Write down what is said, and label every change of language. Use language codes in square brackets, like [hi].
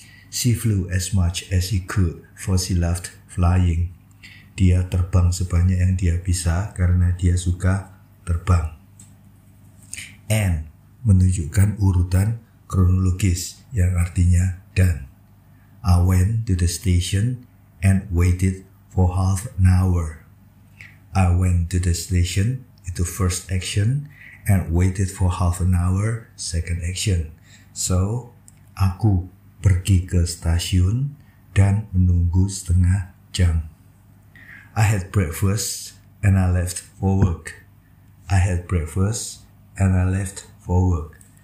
[en] She flew as much as she could for she loved flying. [id] Dia terbang sebanyak yang dia bisa karena dia suka terbang. And menunjukkan urutan kronologis yang artinya dan. [en] I went to the station and waited for half an hour. I went to the station, itu first action, and waited for half an hour, second action. [id] So, aku pergi ke stasiun dan menunggu setengah jam. [en] I had breakfast and I left for work. I had breakfast and I left for work.